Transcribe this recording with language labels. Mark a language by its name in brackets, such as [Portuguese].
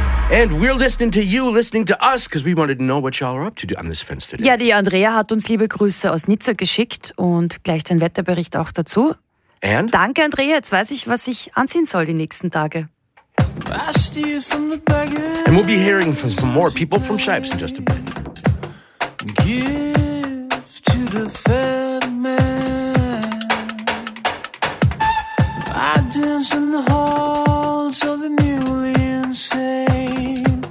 [English] And we're listening to you, listening to us, because we wanted to know what y'all are up to on this Fenster today. [German] Ja, die Andrea hat uns liebe Grüße aus Nizza geschickt und gleich den Wetterbericht auch dazu. [English] And? [German] Danke, Andrea. Jetzt weiß ich, was ich anziehen soll die nächsten Tage. [English] And we'll be hearing from more people from Shipes in just a bit. Give to the fat man. I dance in the halls of the newly insane.